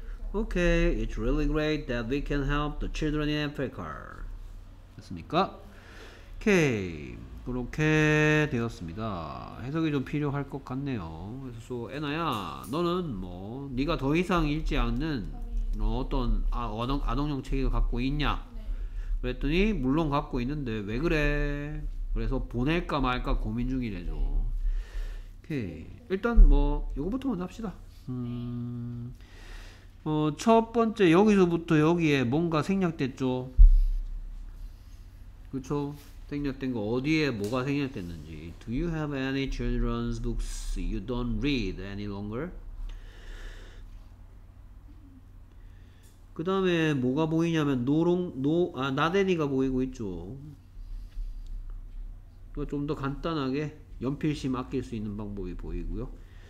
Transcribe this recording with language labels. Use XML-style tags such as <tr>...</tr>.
<en>Okay, it's really great that we can help the children in Africa. Okay, it's really great that we can help the children in Africa.</en> <ko>됐습니까? Okay, 그렇게 되었습니다. 해석이 좀 필요할 것 같네요. 그래서 애나야, 너는 뭐 네가 더 이상 읽지 않는 어떤 아동용 책을 갖고 있냐? 그랬더니 물론 갖고 있는데 왜 그래? 그래서 보낼까 말까 고민 중이래죠. 오케이. 일단 뭐 이거부터만 합시다. 첫 번째 여기서부터 여기에 뭔가 생략됐죠. 그쵸? 생략된 거 어디에 뭐가 생략됐는지.</ko> <en>Do you have any children's books you don't read any longer?</en> <ko>그 다음에 뭐가 보이냐면 나대니가 보이고 있죠. 좀 더 간단하게 연필심 아낄 수 있는 방법이 보이고요.</ko>